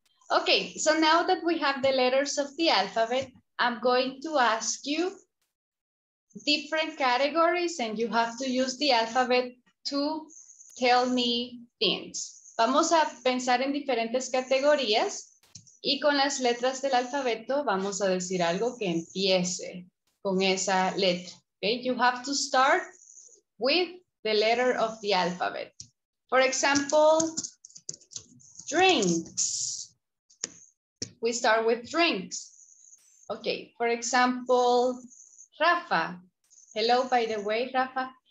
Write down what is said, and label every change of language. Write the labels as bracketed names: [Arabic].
[English] Okay, so now that we have the letters of the alphabet, I'm going to ask you different categories and you have to use the alphabet to tell me things. [Spanish] Vamos a pensar en diferentes categorías y con las letras del alfabeto vamos a decir algo que empiece con esa letra. [English] Okay? You have to start with the letter of the alphabet. For example, drinks. We start with drinks. Okay, for example, Rafa. Hello, by the way, Rafa.